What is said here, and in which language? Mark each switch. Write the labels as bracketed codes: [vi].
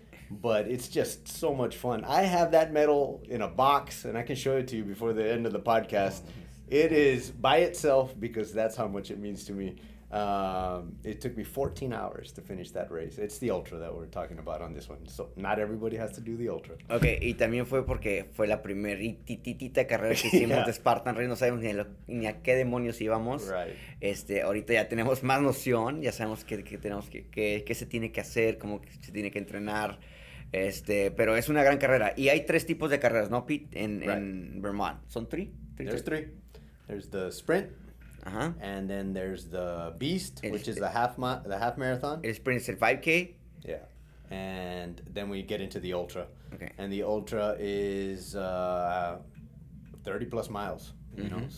[en] But it's just so much fun. I have that medal in a box, and I can show it to you before the end of the podcast. It is by itself because that's how much it means to me. It took me 14 hours to finish that race. It's the ultra that we're talking about on this one. So not everybody has to do the ultra. [es] Okay, y también fue porque fue la primera titita carrera que hicimos de Spartan Ready. No sabemos ni, ni a qué demonios íbamos. [en] Right. [es] Ahorita ya tenemos más noción. Ya sabemos qué tenemos que se tiene que hacer, cómo se tiene que entrenar. Pero es una gran carrera. Y hay tres tipos de carreras, ¿no, Pete? En Vermont. ¿Son tres? [en] There's three. There's the sprint. Uh-huh. And then there's the beast, which is the half marathon. It's pretty much 5K. Yeah. And then we get into the ultra. Okay. And the ultra is 30 plus miles. You mm-hmm.